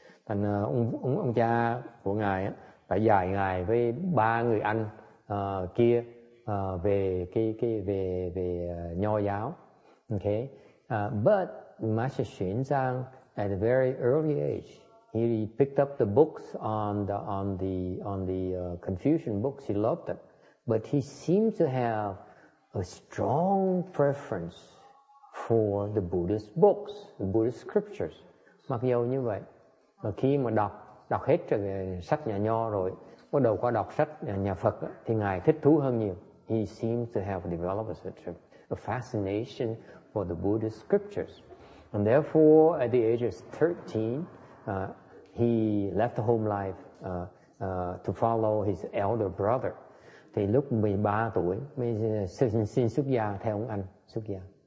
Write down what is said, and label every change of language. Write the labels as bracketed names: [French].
[Vietnamese] Thành ông cha của ngài đã dạy ngài với ba người anh kia về nho giáo. [English] Okay. But Master Xuyến Giang at a very early age, he picked up the books on the Confucian books. He loved them, but he seemed to have a strong preference for the Buddhist books, the Buddhist scriptures. [Vietnamese] Mặc dù như vậy, mà khi mà đọc hết sách nhà nho rồi, bắt đầu qua đọc sách nhà Phật thì ngài thích thú hơn nhiều. [English] He seems to have developed a fascination for the Buddhist scriptures. And therefore, at the age of 13, he left the home life to follow his elder brother. [Vietnamese] Thì lúc 13 tuổi mới xin xuất gia theo ông anh xuất gia.